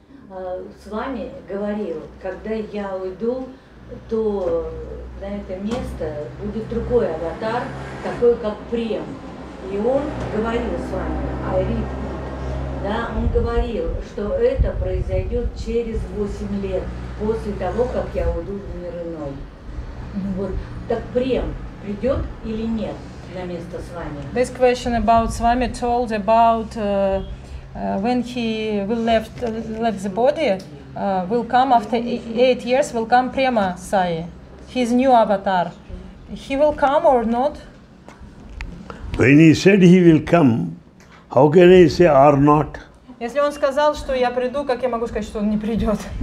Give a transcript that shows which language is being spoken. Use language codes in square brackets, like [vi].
[ru] С вами говорил, когда я уйду, то на это место будет другой аватар, такой как Прем. И он говорил с вами, Айрит, да, он говорил, что это произойдет через 8 лет, после того, как я уйду в мир иной. Вот, так Прем, придет или нет на место с вами. [en] This question about Swami told about when he will left the body, will come after 8 years, will come Prema Sai, his new avatar. He will come or not? When he said he will come, how can I say or not? [ru] Если он сказал, что я приду, как я могу сказать, что он не придет?